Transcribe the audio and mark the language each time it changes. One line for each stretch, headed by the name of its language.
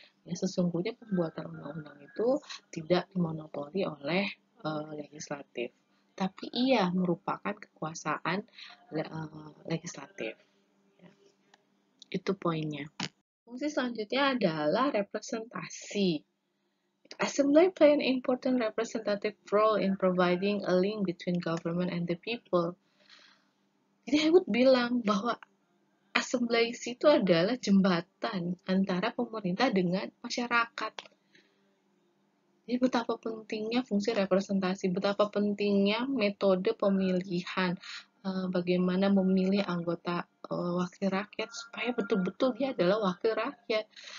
Indonesian: Ya, sesungguhnya pembuatan undang-undang itu tidak dimonopoli oleh legislatif. Tapi ia merupakan kekuasaan legislatif. Ya. Itu poinnya. Fungsi selanjutnya adalah representasi.
English: Assembly play an important representative role in providing a link between government and the people.
Indonesian: Jadi, saya
English: would
Indonesian: bilang bahwa assembly itu adalah jembatan antara pemerintah dengan masyarakat. Jadi betapa pentingnya fungsi representasi, betapa pentingnya metode pemilihan, bagaimana memilih anggota wakil rakyat supaya betul-betul dia adalah wakil rakyat.